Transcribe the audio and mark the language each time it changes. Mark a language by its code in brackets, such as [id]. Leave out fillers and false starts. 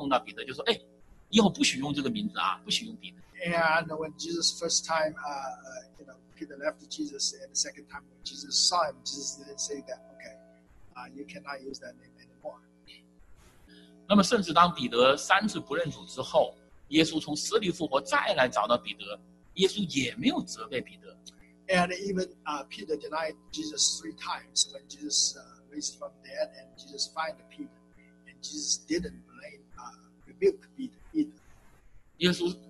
[zh] 耶稣没有看到彼得第一次离开他，第一次去打鱼，耶稣再一次碰到彼得，就说：“哎，以后不许用这个名字啊，不许用彼得。” [en] And when Jesus first time, Peter left Jesus, and the second time when Jesus saw him, Jesus didn't say that, okay, you cannot use that name anymore. [zh] 那么甚至当彼得三次不认主之后， 耶稣从死里复活再来找到彼得，耶稣也没有责备彼得。 [en] And even Peter denied Jesus three times when Jesus raised from dead and Jesus find Peter, and Jesus didn't blame rebuke Peter either.